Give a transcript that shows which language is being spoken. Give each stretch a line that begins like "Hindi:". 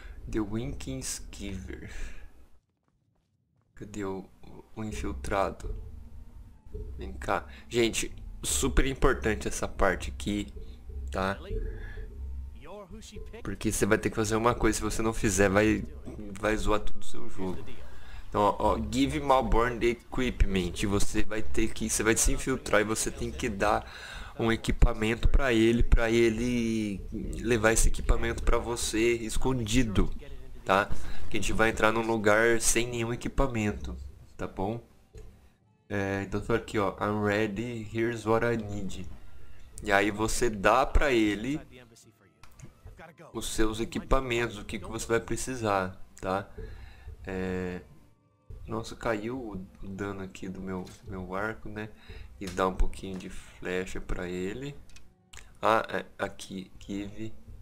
Portuguese: The Winking Skiver. Cadê o infiltrado? Vem cá. Gente, super importante essa parte aqui, tá? Porque você vai ter que fazer uma coisa, se você não fizer, vai zoar tudo o seu jogo. Então, ó,
English: give Malborn the equipment.
Portuguese: Você vai ter que, você vai se infiltrar e você tem que dar um equipamento para ele levar esse equipamento para você escondido, tá? Que a gente vai entrar num lugar sem nenhum equipamento, tá bom? É, então tô aqui, ó,
English: I'm ready, here's what I need.
Portuguese: E aí você dá para ele os seus equipamentos, o que que você vai precisar, tá? É, nossa, caiu o dano aqui do meu arco, né? E dá um pouquinho de flecha para ele. Ah, é, aqui, give.